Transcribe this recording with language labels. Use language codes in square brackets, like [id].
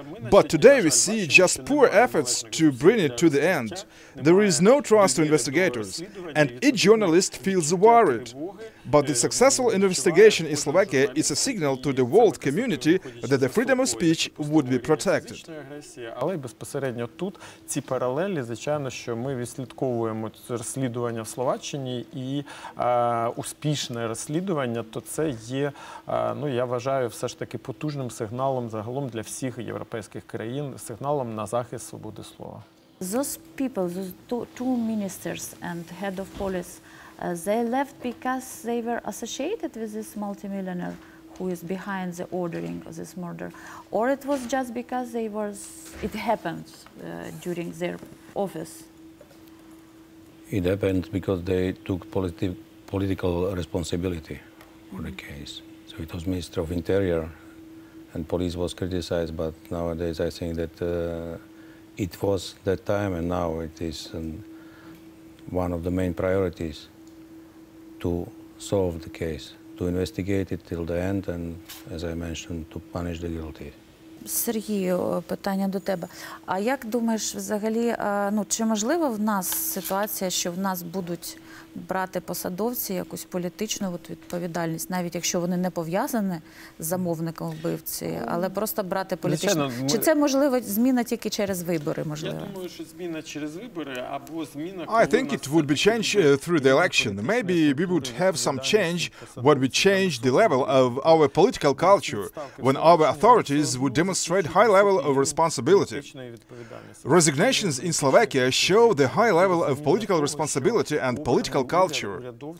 [en] But today we see just poor efforts to bring it to the end. There is no trust to investigators, and each journalist feels worried. But the successful investigation in Slovakia is a signal to the world community that the freedom of speech would be protected. [uk] Але безпосередньо тут ці паралелі, звичайно, що ми відслідковуємо розслідування в Словаччині і успішне розслідування, то це є, ну, я вважаю, все ж таки потужним сигналом загалом для всіх європейських країн, сигналом на захист свободи слова. [en] Those people, those two ministers and head of police, they left because they were associated with this multimillionaire who is behind the ordering of this murder, or it was just because they were, it happened during their office? It happened because they took political responsibility for the case. So it was Minister of Interior and police was criticized, but nowadays I think that it was that time and now it is one of the main priorities to solve the case, to investigate it till the end and, as I mentioned, to punish the guilty. [uk] Сергію, питання до тебе. А як думаєш, взагалі, ну, чи можливо в нас ситуація, що в нас будуть брати посадовці якусь політичну відповідальність, навіть якщо вони не пов'язані з замовником вбивці, але просто брати політичну? Чи це можливо зміна тільки через вибори, можливо? Я думаю, що зміна через вибори або зміна... [en] I think it would be change through the election. Maybe we would have some change when we change the level of our political culture, when our authorities would demonstrate demonstrate high level of responsibility. Resignations in Slovakia show the high level of political responsibility and political culture.